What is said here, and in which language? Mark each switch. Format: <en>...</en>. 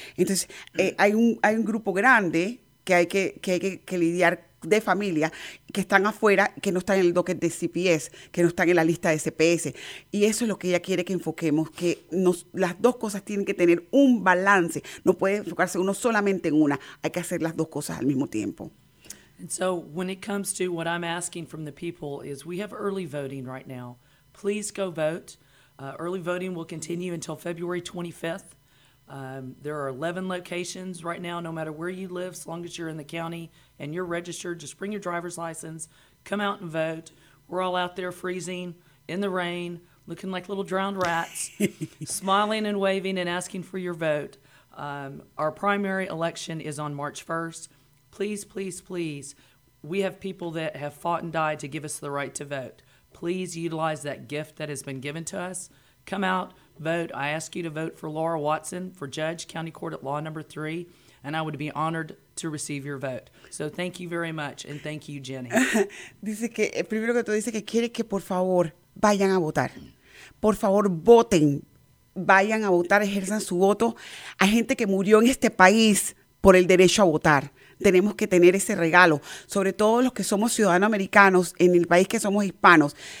<es>Entonces, hay un grupo grande que hay que lidiar de familia que están afuera, que no están en el docket de CPS, que no están en la lista de CPS. Y eso es lo que ella quiere que enfoquemos, que las dos cosas tienen que tener un balance. No puede enfocarse uno solamente en una. Hay que hacer las dos cosas al mismo tiempo.</es> <en>And so when it comes to what I'm asking from the people is we have early voting right now. Please go vote. Early voting will continue until February 25th. There are 11 locations right now, no matter where you live, as long as you're in the county and you're registered, just bring your driver's license, come out and vote. We're all out there freezing in the rain, looking like little drowned rats, smiling and waving and asking for your vote. Our primary election is on March 1st. Please, please, please, we have people that have fought and died to give us the right to vote. Please utilize that gift that has been given to us Come out, vote. I ask you to vote for Laura Watson for Judge, County Court at Law Number 3, and I would be honored to receive your vote. So thank you very much, and thank you, Jenny.</en> <es>Dice que, primero que todo, dice que quiere que, por favor, vayan a votar. Por favor, voten. Vayan a votar, ejerzan su voto. Hay gente que murió en este país por el derecho a votar. Tenemos que tener ese regalo, sobre todo los que somos ciudadanos americanos en el país que somos hispanos.</es>